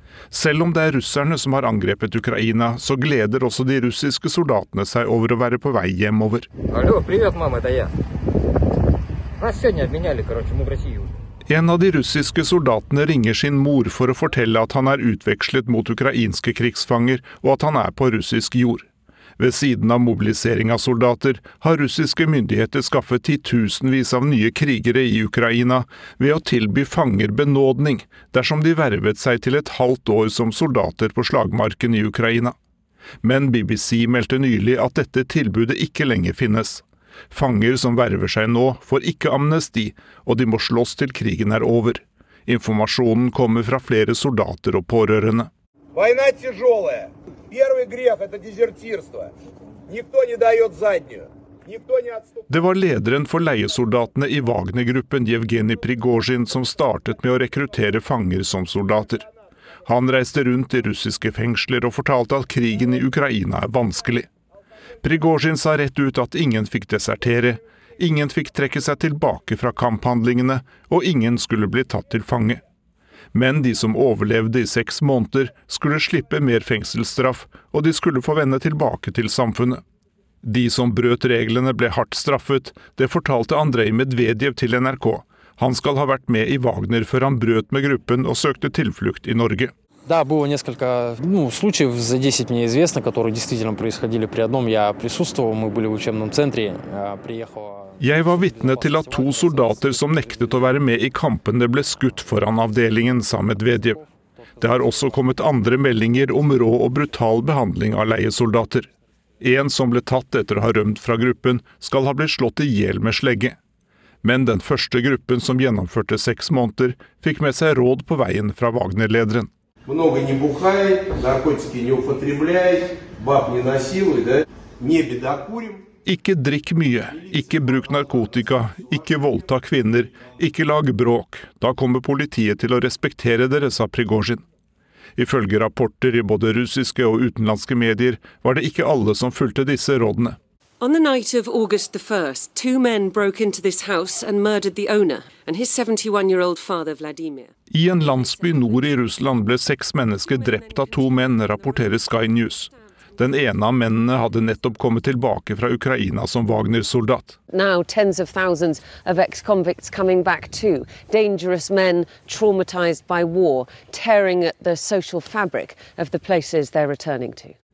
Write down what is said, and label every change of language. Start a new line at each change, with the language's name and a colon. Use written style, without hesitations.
Norwegian: Selv om det russerne som har angrepet Ukraina, så gleder også de russiske soldatene seg over å være på vei hjemover.
Russian: Hallo, привет, мама, это я. Нас сегодня обменяли, короче, мы в Россию.
Norwegian: En av de russiske soldatene ringer sin mor for å fortelle at han utvekslet mot ukrainske krigsfanger og at han på russisk jord. Ved siden av mobilisering av soldater har russiske myndigheter skaffet titusenvis av nye krigere i Ukraina ved å tilby fanger benådning dersom de vervet seg til et halvt år som soldater på slagmarken i Ukraina. Men BBC meldte nylig at dette tilbudet ikke lenger finnes. Fanger som verver seg nå får ikke amnesti, og de må slåss til krigen over. Informasjonen kommer fra flere soldater og pårørende.
Russian: Война тяжелая. Первый грех – это дезертирство. Никто не дает заднюю.
Norwegian: Det var lederen for leiesoldatene i Wagner-gruppen, Yevgeni Prigozhin, som startet med å rekruttere fanger som soldater. Han reiste rundt i russiske fengsler og fortalte at krigen i Ukraina vanskelig. Prigozhin sa rett ut at ingen fikk desertere, ingen fikk trekke seg tilbake fra kamphandlingene, og ingen skulle bli tatt til fange. Men de som overlevde i 6 måneder skulle slippe mer fengselsstraff, og de skulle få vende tilbake til samfunnet. De som brøt reglene ble hardt straffet, det fortalte Andrei Medvedev til NRK. Han skal ha vært med i Wagner før han brøt med gruppen og søkte tilflukt i Norge.
Russian: Да, было несколько, ну, случаев за 10 мне известно, которые действительно происходили при одном. Я присутствовал, мы были в учебном центре, приехал.
Norwegian: Jeg var vitne til at 2 soldater som nektet å være med i kampene ble skutt foran avdelingen, sa Medvedev. Det har også kommet andre meldinger om rå og brutal behandling av leiesoldater. En som ble tatt etter å ha rømt fra gruppen skal ha blitt slått ihjel med slegge. Men den første gruppen som gjennomførte 6 måneder fikk med seg råd på veien fra Wagner-lederen.
Russian: Много не бухай, наркотики не употребляй, баб не насилуй, да? Не бедокурим.
Norwegian: Ikke drikk mye, ikke bruk narkotika, ikke voldta kvinner, ikke lag bråk. Da kommer politiet til å respektere dere, sa Prigozhin. Ifølge rapporter i både russiske og utenlandske medier var det ikke alle som fulgte disse rådene.
English: On the night of August the 1st, two men broke into this house and murdered the owner and his 71-year-old father Vladimir.
Norwegian: I en landsby nord i Russland ble seks mennesker drept av to menn, rapporterer Sky News. Den ene av mennene hadde nettopp kommet tilbake fra Ukraina som Wagner-soldat.
English: Now tens of thousands of ex-convicts coming back too. Dangerous men traumatized by war, tearing at the social fabric of the places they're returning to.